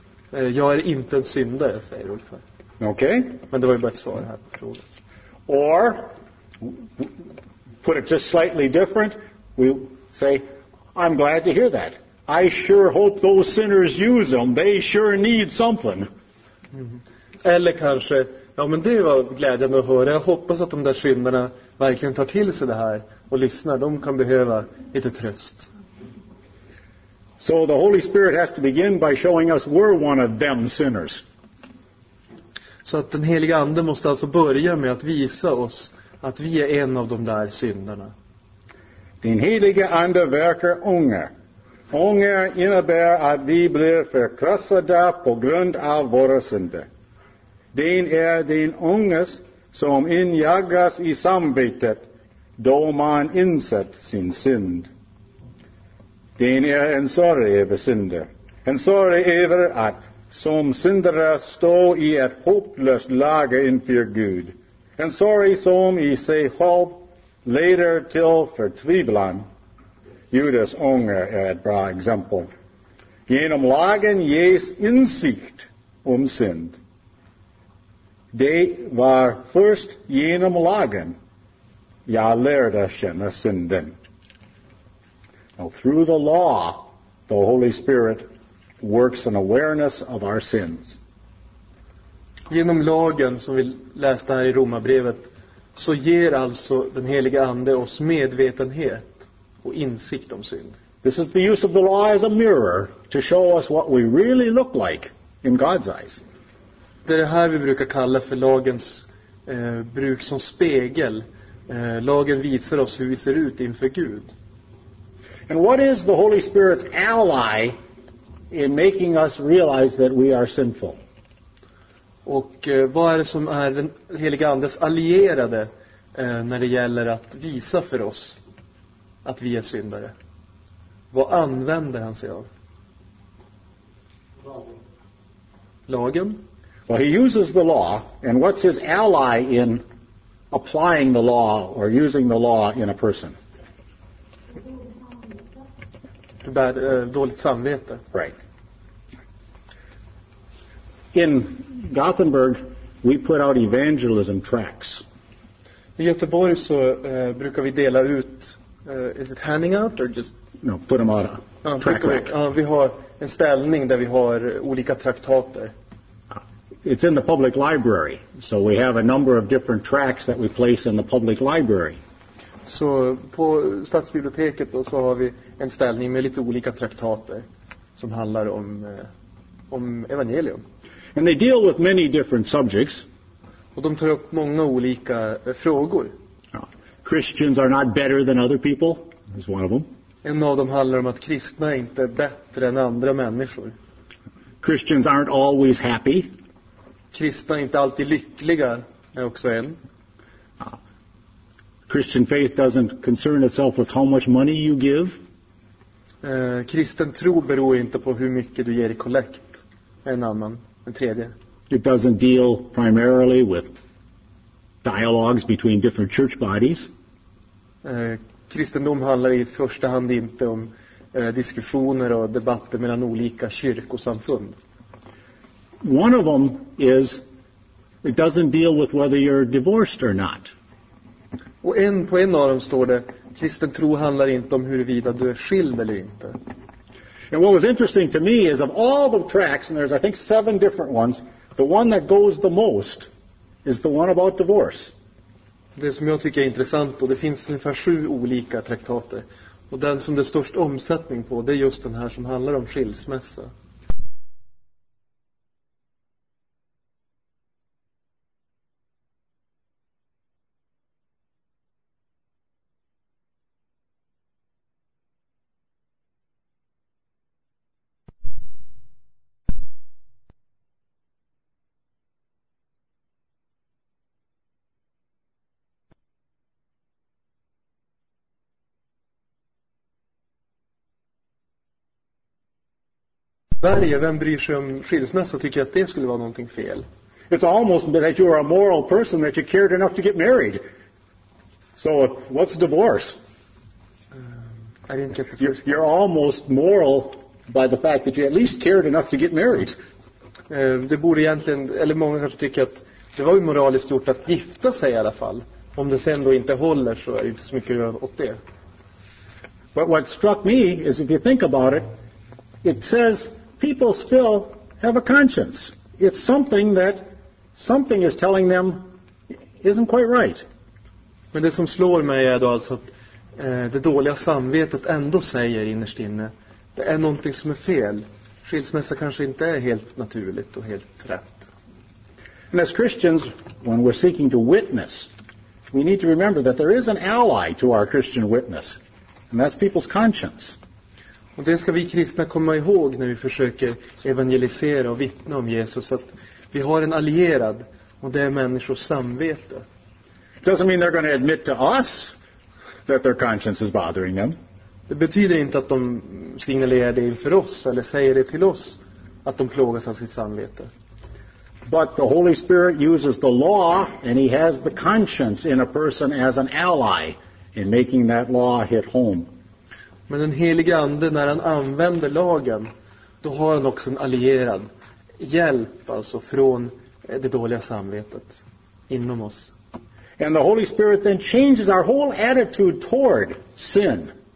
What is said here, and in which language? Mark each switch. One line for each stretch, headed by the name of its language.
Swedish: "Jag är inte en syndare," säger Ulf.
English: Okay.
Swedish: Men det var ju bara ett svar här på frågan.
English: Or, put it just slightly different, we say, "I'm glad to hear that. I sure hope those sinners use them. They sure need something."
Swedish: Eller kanske, "Ja, men det var glädjande att höra. Jag hoppas att de där syndarna verkligen tar till sig det här och lyssnar. De kan behöva lite tröst."
English: So the Holy Spirit has to begin by showing us we're one of them sinners.
Swedish: Så att den heliga anden måste alltså börja med att visa oss att vi är en av de där syndarna. Den heliga ande verkar unga. Unga innebär att vi blir förkrossade på grund av våra synder. Den är den unges som injagas i samvetet då man insett sin synd. Den är en sorg över synder. En sorg över att som syndare stå i ett hopplöst läge inför Gud. En sorg som i sig själv leder till förtvivlan. Judas unge är ett bra exempel. Genom lagen ges insikt om synd. Det var först genom lagen jag lärde känna synden.
English: Now through the law, the Holy Spirit works an awareness of our sins.
Swedish: Genom lagen, som vi läste här i Romarbrevet, så ger alltså den heliga ande oss medvetenhet och insikt om synd.
English: This is the use of the law as a mirror to show us what we really look like in God's eyes.
Swedish: Det är det här vi brukar kalla för lagens bruk som spegel. Lagen visar oss hur vi ser ut inför Gud.
English: And what is the Holy Spirit's ally in making us realize that we are sinful?
Swedish: Och vad är det som är den heliga andes allierade när det gäller att visa för oss att vi är syndare? Vad använder han sig av? Lagen.
English: Well, he uses the law, and what's his ally in applying the law or using the law in a person?
Swedish: Du bär dåligt samvete.
English: Right. In Gothenburg we put out evangelism tracts.
Swedish: I Göteborg så brukar vi dela ut
English: is it handing out or just no, put them out.
Swedish: Vi har en ställning där vi har olika traktater.
English: It's in the public library. So we have a number of different tracts that we place in the public library.
Swedish: Så på stadsbiblioteket då så har vi en ställning med lite olika traktater som handlar om evangelium.
English: And they deal with many different subjects.
Swedish: Och de tar upp många olika frågor.
English: Christians are not better than other people. Is one of them.
Swedish: En av dem handlar om att kristna inte är bättre än andra människor.
English: Christians aren't always happy.
Swedish: Kristna är inte alltid lyckliga är också en.
English: Christian faith doesn't concern itself with how much money you give.
Swedish: Kristen tro beror inte på hur mycket du ger i kollekt. En annan, en tredje.
English: It doesn't deal primarily with dialogues between different church bodies.
Swedish: Kristendom handlar i första hand inte om diskussioner och debatter mellan olika kyrkosamfund.
English: One of them is it doesn't deal with whether you're divorced or not.
Swedish: Och på en av dem står det kristen tro handlar inte om huruvida du är skild eller inte.
English: And what was interesting to me is of all the tracts, and there's I think 7 different ones, the one that goes the most is the one about divorce.
Swedish: Det som jag tycker är intressant, och det finns ungefär 7 olika traktater, och den som det är störst omsättning på, det är just den här som handlar om skilsmässa. Sverige, vem bryr sig om skilsmässa, tycker att det skulle vara någonting fel.
English: It's almost that you are a moral person that you cared enough to get married. So what's divorce? I didn't get the first You're almost moral by the fact that you at least cared enough to get married.
Swedish: Det borde egentligen, eller många kanske tycker att det var ju moraliskt gjort att gifta sig i alla fall. Om det sen då inte håller så är det inte så mycket att göra åt det.
English: But what struck me is if you think about it, it says people still have a conscience. It's something that something is telling them isn't quite right.
Swedish: Men det som slår mig är då alltså att det dåliga samvetet ändå säger innerst inne det är någonting som är fel. Skilsmässa kanske inte är helt naturligt och helt rätt.
English: And as Christians, when we're seeking to witness, we need to remember that there is an ally to our Christian witness, and that's people's conscience.
Swedish: Och det ska vi kristna komma ihåg när vi försöker evangelisera och vittna om Jesus, att vi har en allierad och det är människors samvete.
English: Doesn't mean they're going to admit to us that their conscience is bothering them.
Swedish: Det betyder inte att de signalerar det inför oss eller säger det till oss att de plågas av sitt samvete.
English: But the Holy Spirit uses the law and he has the conscience in a person as an ally in making that law hit home.
Swedish: Men den helige ande, när han använder lagen, då har han också en allierad hjälp, alltså från det dåliga samvetet inom oss.
English: And the Holy Spirit then changes our whole attitude toward sin.